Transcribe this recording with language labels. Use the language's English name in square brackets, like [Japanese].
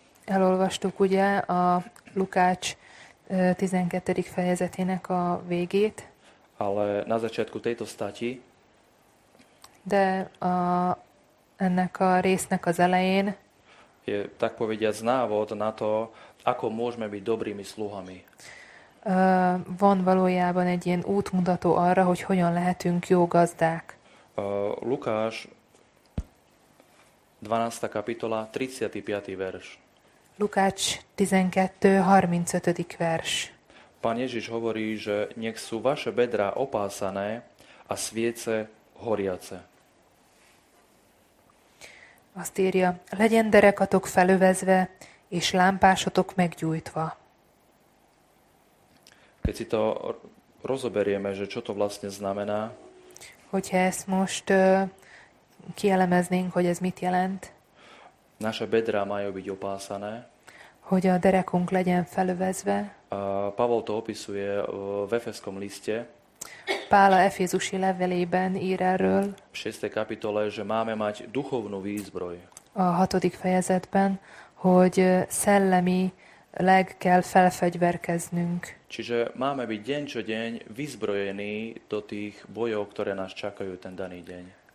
[Hungarian] Elolvastuk ugye a Lukács 12. fejezetének a végét. [Slovak] Ale na začiatku tejto stati. [Hungarian] De ennek a résznek az elején [Slovak] je, tak povediať, návod na to, ako môžeme byť dobrými sluhami. [Hungarian] Van valójában egy ilyen útmutató arra, hogy hogyan lehetünk jó gazdák. [Slovak] Lukáš 12. kapitola 35. verš. [Hungarian] Lukács 12:35. verš. [Slovak] Pán Ježiš hovorí, že nech sú vaše bedrá opásané a sviece horiace. [Hungarian] Azt írja, legyen derekatok felövezve, és lámpásotok meggyújtva. [Slovak] Keď si to rozoberieme, že čo to vlastne znamená, [Hungarian] hogyha ezt most kielemeznénk, hogy ez mit jelent, [Slovak] naše bedrá majú byť opásané, [Hungarian] hogy a derekunk legyen felövezve. [Slovak] Pavol to opisuje v Efeskom liste. [Hungarian] Pála Efézusi levelében ír erről. [Slovak] V 6. kapitole, že máme mať duchovnú výzbroj. [Hungarian] A 6. fejezetben, hogy szellemileg kell felfegyverkeznünk. [Slovak] Čiže máme byť deň čo deň vyzbrojení do tých bojov, ktoré nás čakajú ten daný deň.